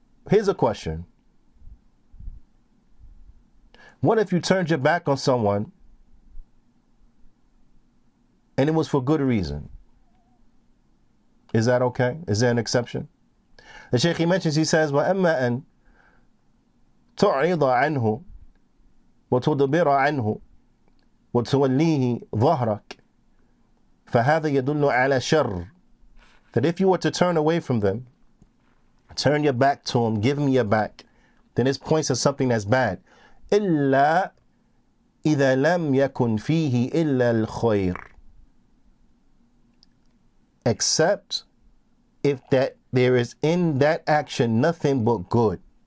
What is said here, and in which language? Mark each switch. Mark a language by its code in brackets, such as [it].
[en] Here's a question. What if you turned your back on someone and it was for good reason? Is that okay? Is there an exception? The Shaykh, he mentions, he says, [ar] وَأَمَّا أَن تُعْرِضَ عَنْهُ وَتُدْبِرَ عَنْهُ وَتُوَلِّيهِ ظَهْرَكَ فَهَذَا يَدُلُّ عَلَى شَرٍّ. [en] That if you were to turn away from them, turn your back to him, give me your back, then this points to something that's bad. [ar] إِلَّا إِذَا لَمْ يَكُنْ فِيهِ إِلَّا الْخَيْرِ. [en] Except if that there is in that action nothing but good.